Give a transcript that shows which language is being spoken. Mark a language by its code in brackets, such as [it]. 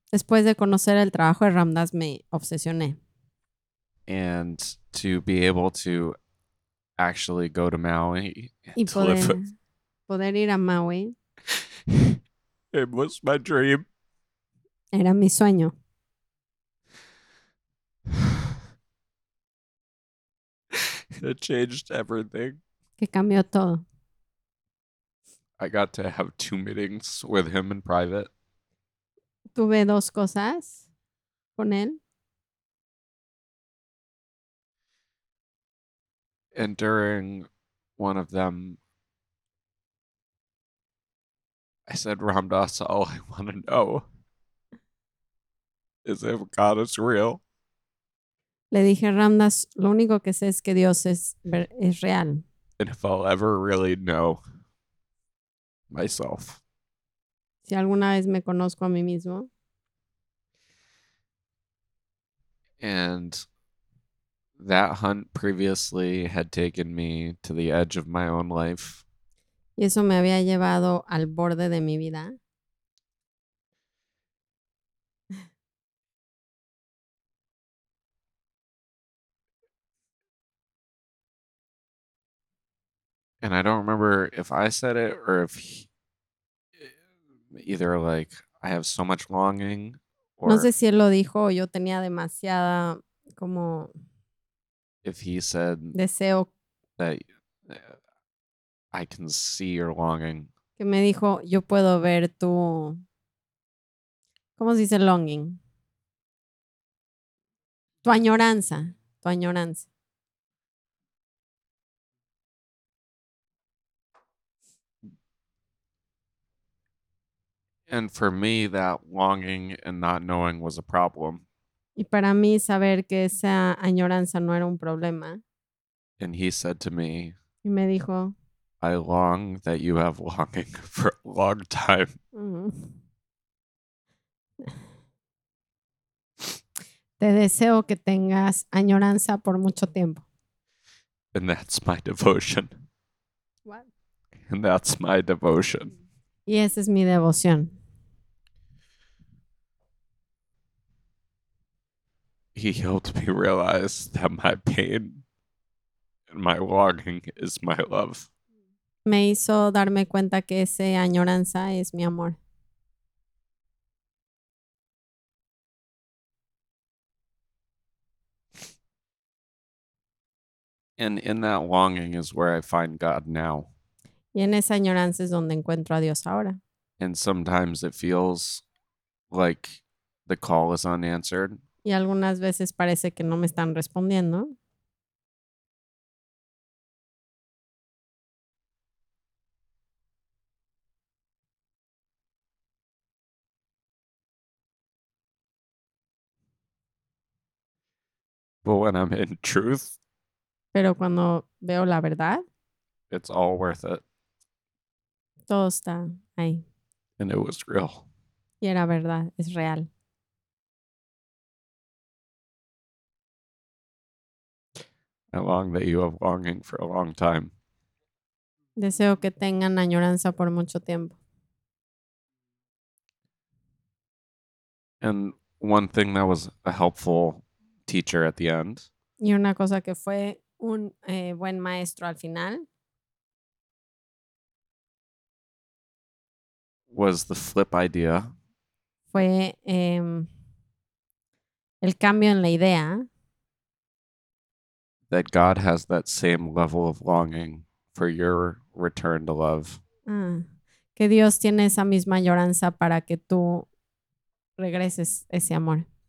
[es] Después de conocer el trabajo de Ram Dass, me obsesioné. [en] And to be able to actually go to Maui and [es] poder ir a Maui. [en] It was my dream. [es] Era mi sueño. [en] It changed everything. [es] Que cambió todo. [en] I got to have 2 meetings with him in private. [es] Tuve 2 cosas con él. [en] And during one of them, I said, Ram Dass, all I want to know is if God is real. [es] Le dije, Ram Dass, lo único que sé es que Dios es real. [en] And if I'll ever really know myself. [es] Si alguna vez me conozco a mí mismo. [en] And that hunt previously had taken me to the edge of my own life. [es] Y eso me había llevado al borde de mi vida. [en] And I don't remember if I said it or if either like I have so much longing or [es] no sé si él lo dijo o yo tenía demasiada como [en] if he said [es] deseo [en] that I can see your longing. [es] Que me dijo, yo puedo ver tu, ¿cómo se dice longing? Tu añoranza. [en] And for me, that longing and not knowing was a problem. [es] Y para mí, saber que esa añoranza no era un problema. [en] And he said to me, [es] y me dijo, [en] I long that you have longing for a long time. [es] Te deseo que tengas añoranza por mucho tiempo. [en] And that's my devotion. What? And that's my devotion. [es] Y esa es mi devoción. [en] He helped me realize that my pain and my longing is my love. [es] Me hizo darme cuenta que ese añoranza es mi amor. [en] And in that longing is where I find God now. [es] Y en esa añoranza es donde encuentro a Dios ahora. [en] And sometimes it feels like the call is unanswered. [es] Y algunas veces parece que no me están respondiendo. [en] But when I'm in truth, [es] pero cuando veo la verdad, [en] it's all worth it. [es] Todo está ahí. [en] And it was real. [es] Y era verdad, es real. [en] I long that you have longing for a long time. [es] Deseo que tengan añoranza por mucho tiempo. [en] And one thing that was a helpful teacher at the end. [es] Y una cosa que fue un buen maestro al final. [en] Was the flip idea. [es] Fue el cambio en la idea. [en] That God has that same level of longing for your return to love. [es] Que Dios tiene esa misma añoranza para que tú regreses ese amor.